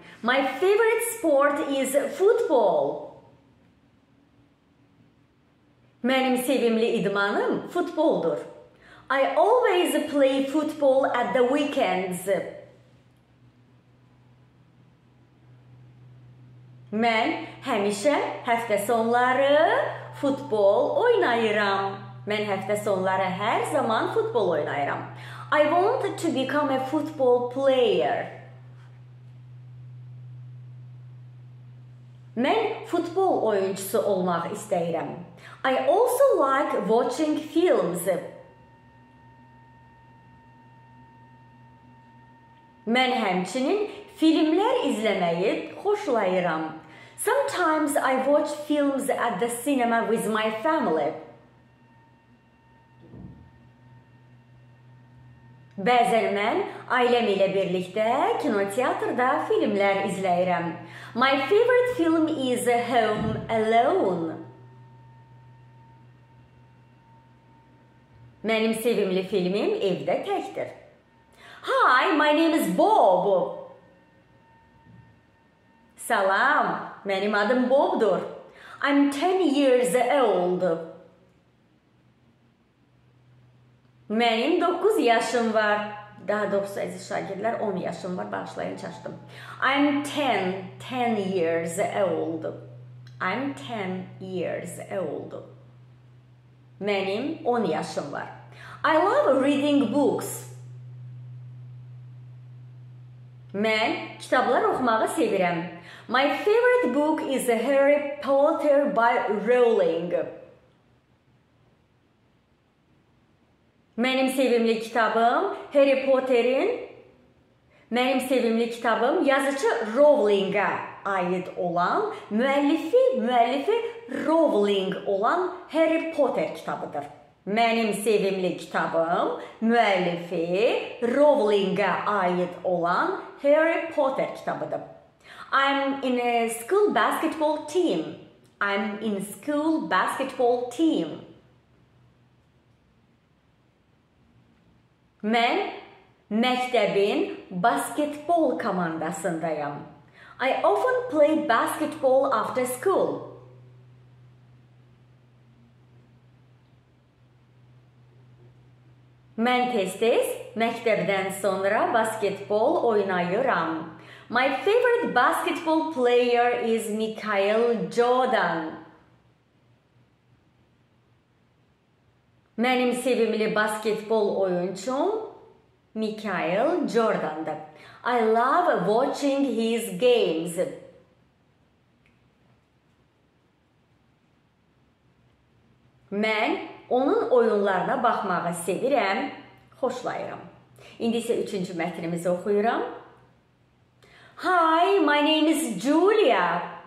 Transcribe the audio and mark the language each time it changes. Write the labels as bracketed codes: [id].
[en] My favorite sport is football. [az] Mənim sevimli idmanım futboldur. [en] I always play football at the weekends. [az] Mən həmişə həftə sonları futbol oynayıram. Mən həftə sonları hər zaman futbol oynayıram. [en] I want to become a football player. [az] Mən futbol oyuncusu olmaq istəyirəm. [en] I also like watching films. [az] Mən həmçinin filmlər izləməyi xoşlayıram. [en] Sometimes I watch films at the cinema with my family. [az] Bəzərmən ailəm ilə birlikdə kinoteatrda filmlər izləyirəm. [en] My favorite film is Home Alone. [az] Mənim sevimli filmim evdə təkdir. [en] Hi, my name is Bob. [az] Salam, mənim adım Bobdur. [en] I'm 10 years old. [az] Mənim 9 yaşım var. Daha doğrusu, əziz şagirdlər, 10 yaşım var. Bağışlayın, çaşdım. [en] I'm 10 years old. I'm 10 years old. [az] Mənim 10 yaşım var. [en] I love reading books. [az] Mən kitablar oxumağı sevirəm. [en] My favorite book is Harry Potter by Rowling. [az] Mənim sevimli kitabım Harry Potter'in mənim sevimli kitabım yazıcı Rowling'a aid olan müəllifi Rowling olan Harry Potter kitabıdır. Mənim sevimli kitabım müəllifi Rowling'a aid olan Harry Potter kitabıdır. [en] I'm in a school basketball team. I'm in school basketball team. [az] Mən məktəbin basketbol komandasındayam. [en] I often play basketball after school. [az] Mən tez-tez məktəbdən sonra basketbol oynayıram. [en] My favorite basketball player is Michael Jordan. [az] Mənim sevimli basketbol oyunçum Michael Jordan'dır. [en] I love watching his games. [az] Mən onun oyunlarına baxmağı sevirəm, xoşlayıram. İndi isə üçüncü mətnimizi oxuyuram. [en] Hi, my name is Julia.